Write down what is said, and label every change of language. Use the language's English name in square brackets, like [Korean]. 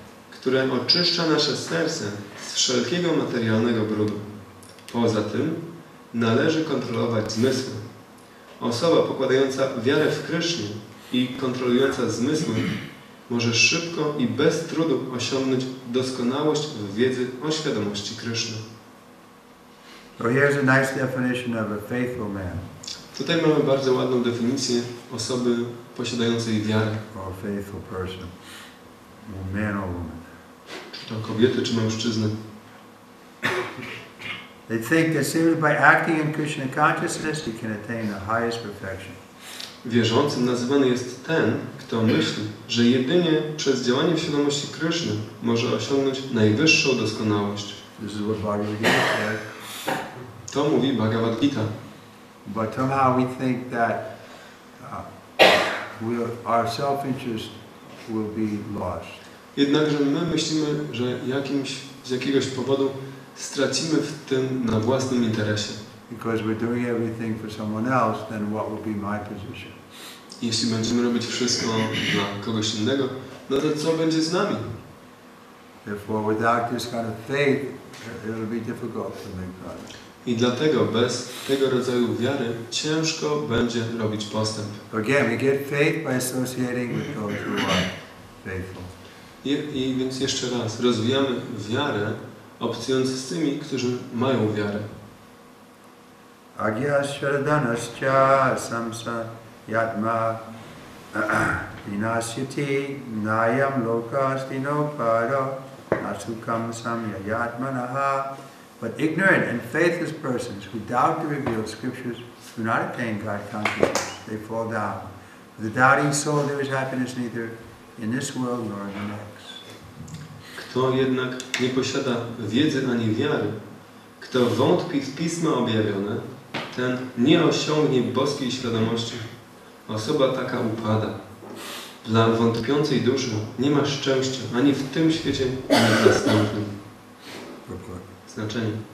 [Polish] które oczyszcza nasze serce z wszelkiego materialnego brudu. Poza tym należy kontrolować zmysły. Osoba pokładająca wiarę w Krysznie i kontrolująca zmysły może szybko i bez trudu osiągnąć doskonałość w wiedzy o świadomości Kryszny. [English] So here's a nice definition of a faithful man. [Polish] Tutaj mamy bardzo ładną definicję osoby posiadającej wiarę. [English] Or a faithful person. Or man or woman. [Polish] Czy to kobiety, czy mężczyzny. [English] They think that simply by acting in Krishna consciousness, he can attain the highest perfection. [Polish] Wierzącym nazywany jest ten, kto myśli, że jedynie przez działanie w świadomości Kryszny może osiągnąć najwyższą doskonałość. [English] This is what Bhagavad Gita says. [Polish] To mówi Bhagavad Gita. [English] But somehow we think that our self-interest will be lost. [Polish] Jednakże my myślimy, że z jakiegoś powodu stracimy w tym na własnym interesie. [English] Because we're doing everything for someone else, then what will be my position? [Polish] Jeśli będziemy robić wszystko dla kogoś innego, no to co będzie z nami? [English] Therefore, without this kind of faith, it'll be difficult to make progress. [Polish] I dlatego bez tego rodzaju wiary ciężko będzie robić postęp. [English] Again, we get faith by associating with those who are faithful. [Polish] I więc jeszcze raz rozwijamy wiarę, obcując z tymi, którzy mają wiarę. [Sanskrit] Agya śradanascha samsa yatma vinasyati nayam lokastino paro asukam samyayatmanah. [English] But ignorant and faithless persons who doubt the revealed scriptures do not attain God consciousness. They fall down. For the doubting soul there is happiness neither in this world nor in the next. [Polish] Kto jednak nie posiada wiedzy ani wiary, kto wątpi w pisma objawione, ten nie osiągnie boskiej świadomości. Osoba taka upada. Dla wątpiącej duszy nie ma szczęścia ani w tym świecie, ani w następnym. znaczenie.